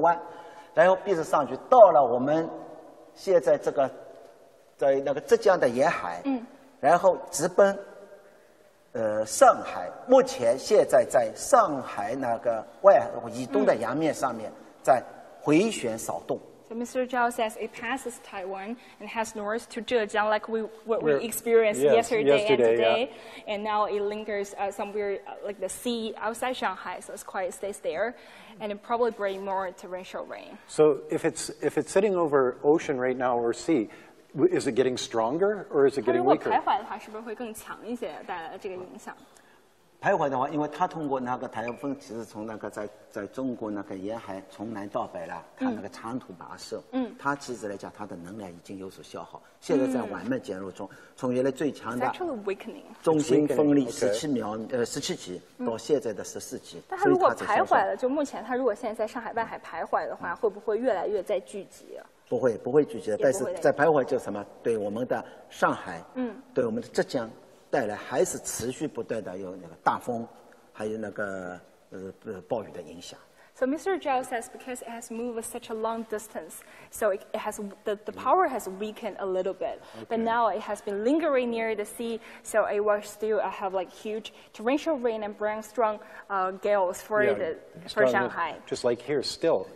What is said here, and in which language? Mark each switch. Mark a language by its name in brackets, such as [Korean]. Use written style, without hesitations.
[Chinese] 湾，然后鼻子上去到了我们现在这个在那个浙江的沿海，嗯，然后直奔上海，目前现在在上海那个外以东的洋面上面在回旋扫动。 [English] So Mr. Zhao says it passes Taiwan and heads north to Zhejiang, like what we experienced yesterday. Yeah. And now it lingers somewhere like the sea outside Shanghai, so it's quite stays there, and it probably bring more torrential rain. So if it's sitting over ocean right now or sea, is it getting stronger or is it getting weaker? [Chinese] 它如果徘徊的话，是不是会更强一些，带来这个影响？徘徊的话，因为它通过那个台风，其实从那个在中国那个沿海从南到北了，它那个长途跋涉，嗯，它其实来讲，它的能量已经有所消耗，现在在缓慢减弱中，从原来最强的中心风力十七级到现在的14级，但它如果徘徊了，就目前它如果现在在上海外海徘徊的话，会不会越来越在聚集？不会聚集的，但是在徘徊就什么？对我们的上海，嗯，对我们的浙江。带来还是持续不断的有那个大风，还有那个暴雨的影响。 [English] So Mr. Zhao says because it has moved such a long distance, so it has the power has weakened a little bit. Okay. But now it has been lingering near the sea, so it will still have like huge torrential rain and bring strong gales for Shanghai. Just like here still.